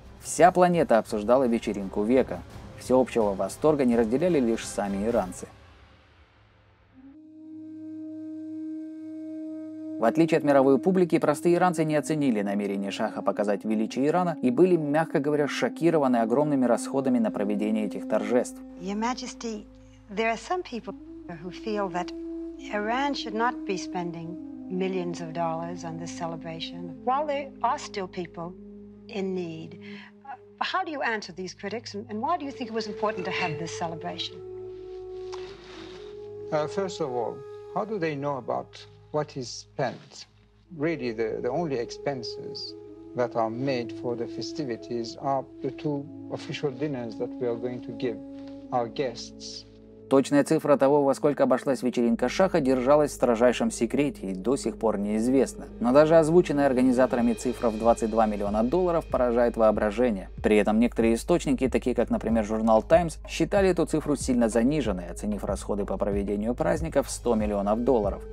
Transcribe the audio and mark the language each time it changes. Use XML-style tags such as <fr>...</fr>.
<ru>Вся планета обсуждала вечеринку века. Всеобщего восторга не разделяли лишь сами иранцы. В отличие от мировой публики, простые иранцы не оценили намерение шаха показать величие Ирана и были, мягко говоря, шокированы огромными расходами на проведение этих торжеств.</ru> <en>Your Majesty, there are some people who feel that Iran should not be spending millions of dollars on this celebration, while there are still people in need. How do you answer these critics, and why do you think it was important to have this celebration? First of all, how do they know about what is spent? Really, the only expenses that are made for the festivities are the 2 official dinners that we are going to give our guests.</en> <ru>Точная цифра того, во сколько обошлась вечеринка Шаха, держалась в строжайшем секрете и до сих пор неизвестна. Но даже озвученная организаторами цифра в 22 миллиона долларов поражает воображение. При этом некоторые источники, такие как, например, журнал Times, считали эту цифру сильно заниженной, оценив расходы по проведению праздника в 100 миллионов долларов.</ru>